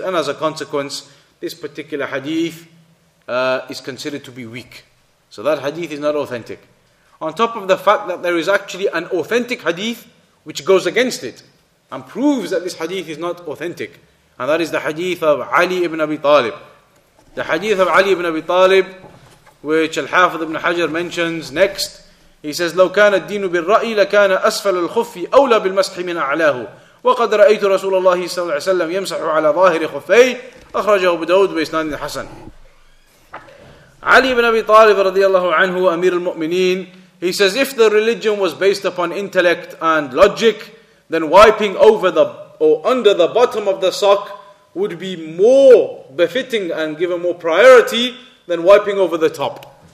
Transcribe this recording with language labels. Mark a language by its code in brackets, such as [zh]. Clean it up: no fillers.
[en] And as a consequence, this particular hadith is considered to be weak. So that hadith is not authentic. On top of the fact that there is actually an authentic hadith which goes against it and proves that this hadith is not authentic. And that is the hadith of Ali ibn Abi Talib. The hadith of Ali ibn Abi Talib, which Al-Hafidh ibn Hajar mentions next, he says, [ar] لو كان الدين بالرأي لكان أسفل الخف أولى بالمسح من أعلاه وقد رأيت رسول الله صلى الله عليه وسلم يمسح على ظاهر خفي أخرجه أبو داود بإسناد حسن. [en] Ali ibn Abi Talib [ar] رضي الله عنه أمير المؤمنين, [en] he says, if the religion was based upon intellect and logic, then wiping over the or under the bottom of the sock would be more befitting and given more priority than wiping over the top.